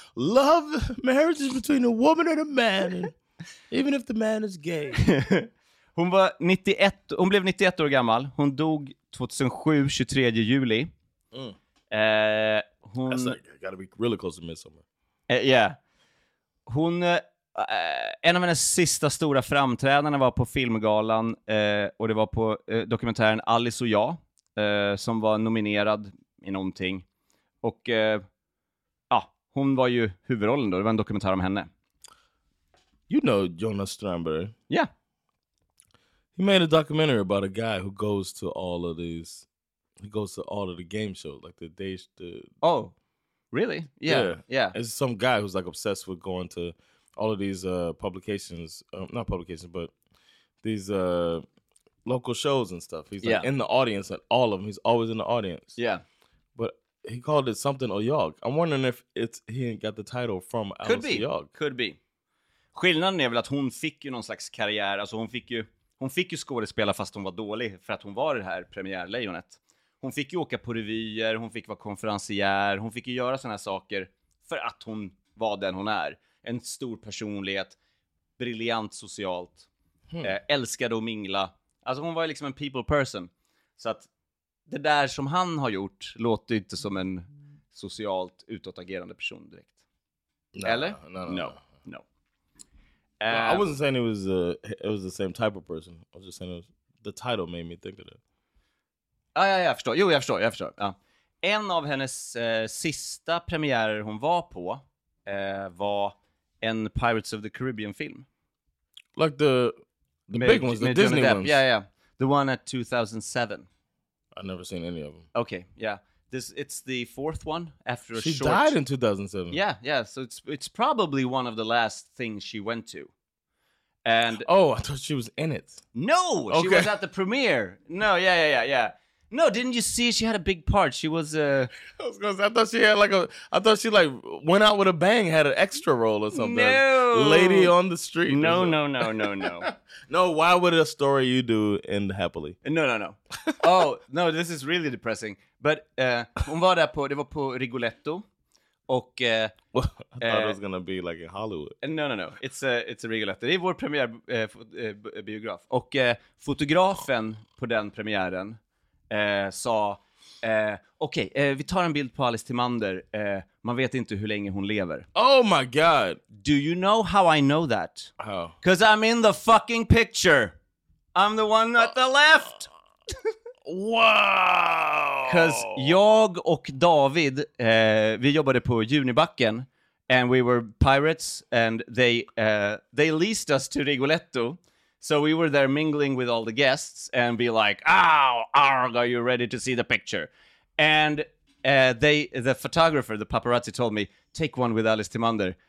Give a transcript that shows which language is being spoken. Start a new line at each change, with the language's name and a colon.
English: Love, marriage is between a woman and a man. Even if the man is gay.
Swedish: Hon var 91, hon blev 91 år gammal. Hon dog 2007, 23 juli. Mm.
English: Hon... That's like, gotta be really close to midsummer. Yeah.
Swedish: Hon, en av hennes sista stora framträdanden var på filmgalan och det var på dokumentären Alice och jag som var nominerad i någonting. Och ja, hon var ju huvudrollen då. Det var en dokumentär om henne.
English: You know Jonas Strandberg. Yeah. He made a documentary about a guy who goes to all of these. He goes to all of the game shows, like the days. Oh, really? Yeah. Yeah. It's some guy who's like obsessed with going to all of these publications, not publications, but these local shows and stuff. He's like in the audience at all of them. He's always in the audience. Yeah. But he called it something Oyog. I'm wondering if he got the title from Alice Oyog. Could be. Oyog. Could be.
Swedish: Skillnaden är väl att hon fick ju någon slags karriär. Alltså hon fick ju skådespela fast hon var dålig för att hon var det här premiärlejonet. Hon fick ju åka på revyer, hon fick vara konferensier, hon fick ju göra såna här saker för att hon var den hon är. En stor personlighet, briljant socialt, älskade att mingla. Alltså hon var ju liksom en people person. Så att det där som han har gjort låter inte som en socialt utåtagerande person direkt.
English: Nah,
Swedish: eller?
English: No. No. Well, I wasn't saying it was the same type of person. I was just saying it was, the title made me think of it.
Swedish: Jag förstår. Ja. En av hennes sista premiärer hon var på var en Pirates of the Caribbean film.
English: Like the big ones, the Disney ones. Yeah. The one at 2007. I've never seen any of them. Okay, yeah. It's the fourth one after she a short... She died in 2007. Yeah. So it's probably one of the last things she went to. And oh, I thought she was in it. No, okay. She was at the premiere. No, yeah. No, didn't you see she had a big part? She was I was gonna say, I thought she like went out with a bang, had an extra role or something. No. Lady on the street. No. No, why would a story you do end happily? No. Oh, no, this is really depressing.
Swedish: But hon var där på, det var på Rigoletto. Och
English: I thought it was gonna be like in Hollywood. No. It's a Rigoletto.
Swedish: Det är vår premiär biograf. Och fotografen på den premiären sa okej, vi tar en bild på Alice Timander. Man vet inte hur länge hon lever.
English: Oh my god. Do you know how I know that? Oh. Cause I'm in the fucking picture. I'm the one at the left. Wow.
Swedish: Cause jag och David vi jobbade på Junibacken.
English: And we were pirates. And they leased us to Rigoletto. So we were there mingling with all the guests and be like, oh, arg, are you ready to see the picture? And the photographer, the paparazzi, told me, take one with Alice Timander.